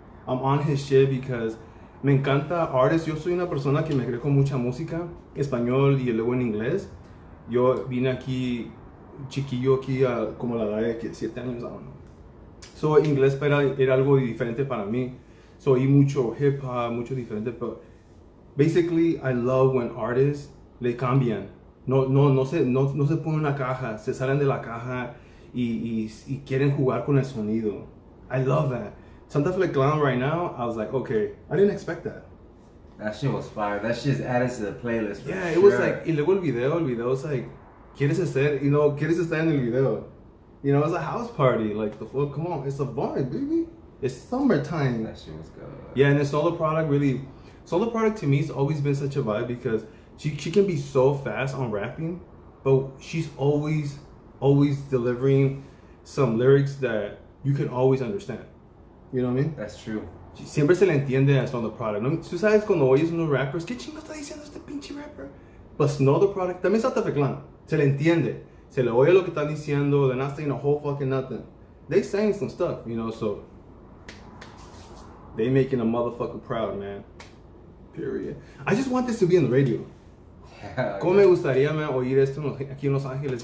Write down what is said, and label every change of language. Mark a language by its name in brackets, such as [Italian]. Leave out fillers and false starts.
[English] I'm on his shit because [Spanish] me encanta [English] artists. [Spanish] Yo soy una persona que me creo con mucha música, español y luego en inglés. Yo vine aquí, chiquillo aquí, como la edad de 7 años, [English] I don't know. [Spanish] So, inglés era algo diferente para mí. So, y mucho hip hop, mucho diferente. [English] But basically, I love when artists, [Spanish] le cambian. No se ponen una caja, se salen de la caja y quieren jugar con el sonido. [English] I love that. Santa Fe Clan right now, I was like, okay, I didn't expect that. That shit was fire. That shit is added to the playlist for yeah, sure. It was like, [Spanish] y luego el video [English] was like, [Spanish] ¿quieres hacer? [English] You know, [Spanish] ¿quieres estar en el video? [English] You know, it was a house party. Like, the fuck, come on, it's a vibe, baby. It's summertime. That shit was good. Yeah, and the solo product really, solo product to me has always been such a vibe because She can be so fast on rapping, but she's always, always delivering some lyrics that you can always understand. You know what I mean? That's true. [Spanish] Siempre se le entiende a Snow the Product. Tú sabes cuando oyes unos rappers, ¿qué chingo está diciendo este pinche rapper? But Snow the Product, también Santa Fe Clan. Se le entiende. Se le oye lo que están diciendo. [English] They're not saying a whole fucking nothing. They saying some stuff, you know, so they making a motherfucker proud, man. Period. I just want this to be in the radio. Yeah, [Spanish] ¿cómo me gustaría, man, oír esto aquí en Los Ángeles?